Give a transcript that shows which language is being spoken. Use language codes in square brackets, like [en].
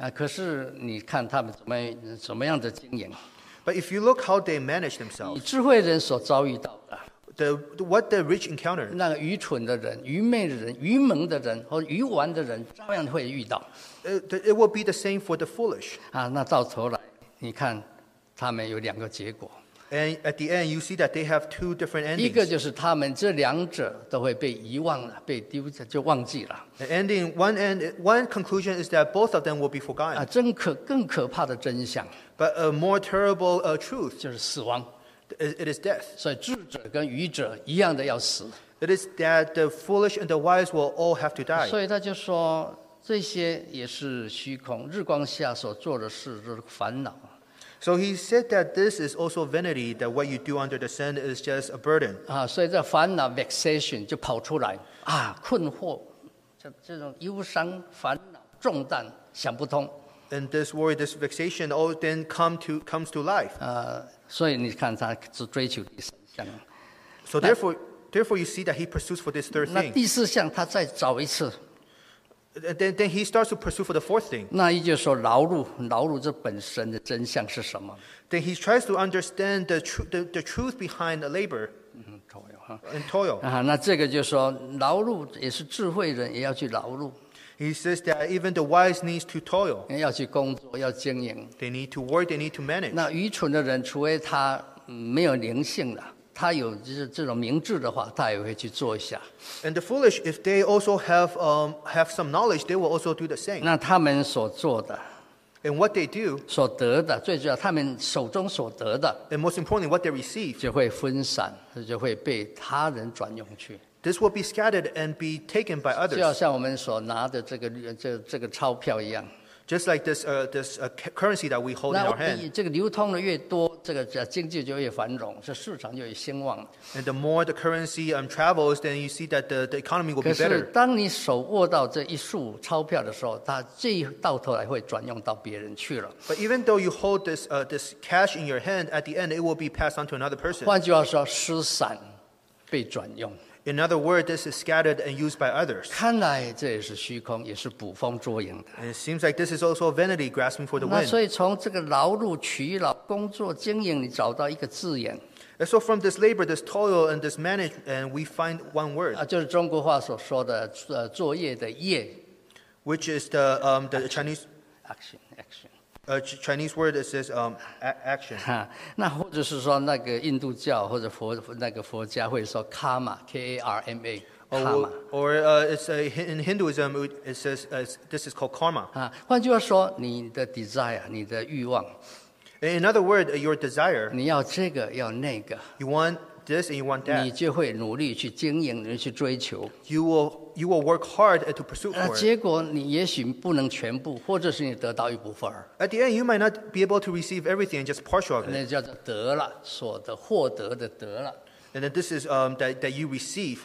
[zh] 可是你看他们怎么样的经营。 [en] But if you look how they manage themselves, [zh] 以智慧人所遭遇到的 [en] what the rich encounter, [zh] 那个愚蠢的人、愚昧的人、愚蒙的人和愚顽的人照样会遇到。 [en] It will be the same for the foolish. [zh] 那到头来，你看他们有两个结果。 [en] And at the end, you see that they have two different endings. [zh] 一个就是他们这两者都会被遗忘了，被丢就忘记了。 [en] One conclusion is that both of them will be forgotten. [zh] 更可怕的真相。 [en] But a more terrible truth [zh] 就是死亡。 [en] It is death. [zh] 所以智者跟愚者一样的要死。 [en] It is that the foolish and the wise will all have to die. [zh] 所以他就说，这些也是虚空，日光下所做的事都是烦恼。 [en] So he said that this is also vanity, that what you do under the sun is just a burden. [zh] 啊，所以这烦恼 vexation 就跑出来啊，困惑，这种忧伤、烦恼、重担想不通。 [en] And this worry, this vexation, all then comes to life. [zh] 啊，所以你看他只追求第三项。 [en] So therefore, you see that he pursues for this third thing. [zh] 那第四项他再找一次。 [en] Then he starts to pursue for the fourth thing. [zh] 那也就是说劳碌这本身的真相是什么。 [en] Then he tries to understand the truth behind the labor. And toil. [zh] 啊，那这个就是说劳碌也是智慧人也要去劳碌。 [en] He says that even the wise needs to toil. [zh] 要去工作要经营。 [en] They need to work, they need to manage. [zh] 那愚蠢的人除非他没有灵性了。他有这种明智的话，他也会去做一下。 [en] And the foolish, if they also have some knowledge, they will also do the same. [zh] 那他们所做的 [en] ，and what they do， [zh] 所得的，最主要他们手中所得的 [en] ，and most importantly, what they receive， [zh] 就会分散，就会被他人转用去。 [en] This will be scattered and be taken by others. [zh] 就好像我们所拿的这个钞票一样。 [en] Just like this currency that we hold in our hand. [zh] 这个流通的越多，这个经济就越繁荣，这市场就越兴旺。 [en] And the more the currency travels, then you see that the economy will be better. [zh] 可是当你手握到这一束钞票的时候，它最到头来会转用到别人去了。 [en] But even though you hold this cash in your hand, at the end it will be passed on to another person. [zh] 换句话说，失散，被转用。 [en] In other words, this is scattered and used by others. [zh] 看来这也是虚空，也是捕风捉影的。 [en] And it seems like this is also vanity, grasping for the wind. [zh] 那所以从这个劳碌取劳、工作经营，你找到一个字眼。 [en] And so from this labor, this toil, and this management, we find one word. [zh] 就是中国话所说的作业的业。 [en] Which is the Chinese action. A Chinese word that says action. [zh] 哈，那或者是说那个印度教或者佛那个佛家会说 karma, K-A-R-M-A, karma. [en] In Hinduism, it says this is called karma. [zh] 哈，换句话说，你的 desire, 你的欲望。 [en] In other words, your desire. [zh] 你要这个，要那个。 [en] You want this and you want that. [zh] 你就会努力去经营，努力去追求。 [en] You will work hard to pursue for it. [zh] 结果你也许不能全部，或者是你得到一部分。 [en] At the end, you might not be able to receive everything, just partial of it. [zh] 那叫做得了，所得，获得的得了。 [en] And then this is that you receive.